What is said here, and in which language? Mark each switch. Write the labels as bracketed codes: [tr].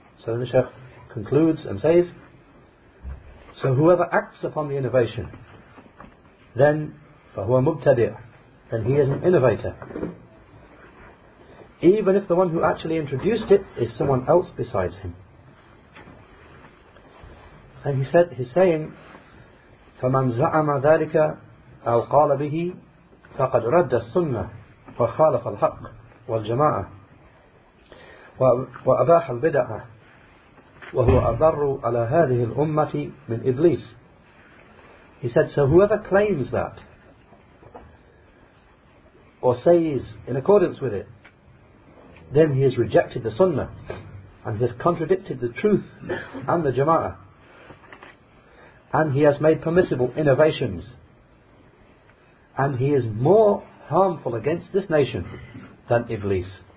[en] So then the Shaykh concludes and says, so whoever acts upon the innovation, then [ar] فَهُوَ مُبْتَدِعَ, [en] then he is an innovator. Even if the one who actually introduced it is someone else besides him. And he said, he's saying, [ar] فَمَنْ زَعَمَ ذَلِكَ أَوْ قَالَ بِهِ فَقَدْ رَدَّ السُّنَّةِ وَخَالَفَ الْحَقِّ وَالْجَمَاعَةِ وَأَبَاحَ الْبِدَعَةِ وَهُوَ أَضَرُّ عَلَى هَذِهِ الْأُمَّةِ مِنْ إِبْلِيسِ. [en] He said, so whoever claims that, or says in accordance with it, then he has rejected the sunnah and has contradicted the truth and the jama'ah, and he has made permissible innovations, and he is more harmful against this nation than Iblis.